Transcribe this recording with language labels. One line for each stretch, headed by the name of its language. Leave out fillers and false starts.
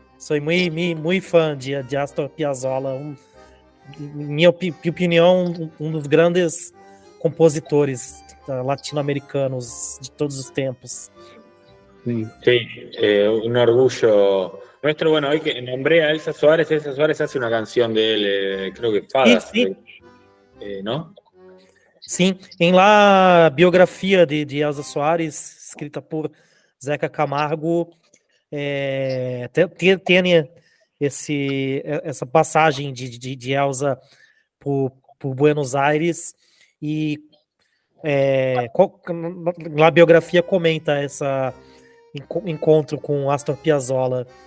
Spanish: Soy muy, muy, muy fã de Astor Piazzolla.
Portuguese: Minha opinião, um dos grandes compositores latino-americanos de todos os tempos. Sim, um orgulho.
Spanish: Nuestro, bueno, hoy que nombré a Elsa Suárez, Elsa Suárez hace una canción de él, creo que Fadas, sí. ¿No? Sí, en la biografía de Elsa Suárez, escrita por Zeca Camargo, tiene esa pasaje de Elsa por Buenos Aires, y la biografía comenta ese encuentro con Astor Piazzolla.